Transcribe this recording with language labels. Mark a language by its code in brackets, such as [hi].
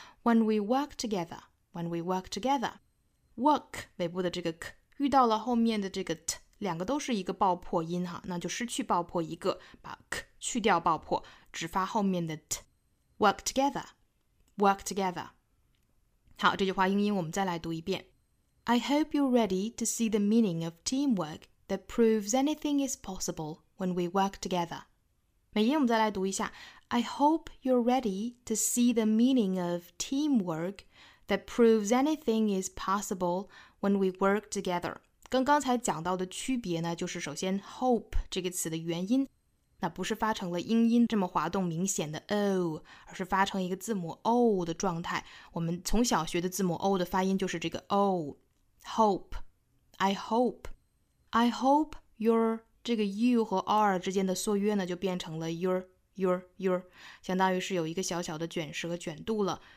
[en] When we work together， [zh] when we work together， work 尾部的这个 k 遇到了后面的这个 t， 两个都是一个爆破音哈，那就失去爆破一个，把 k 去掉爆破，只发后面的 t。 [en] Work together， work together。 [zh] 好，这句话英音我们再来读一遍。 [en] I hope you're ready to see the meaning of teamwork that proves anything is possible when we work together. [zh] 美音我们再来读一下。 [en] I hope you're ready to see the meaning of teamwork that proves anything is possible when we work together. [zh] 跟刚才讲到的区别呢，就是首先 hope 这个词的元音，那不是发成了英音这么滑动明显的 O， 而是发成一个字母 O 的状态。我们从小学的字母 O 的发音就是这个 O。 [en] Hope， I hope， I hope your [zh] 这个 you 和 are 之间的缩约呢，就变成了 your， 相当于是有一个小小的卷舌卷度了。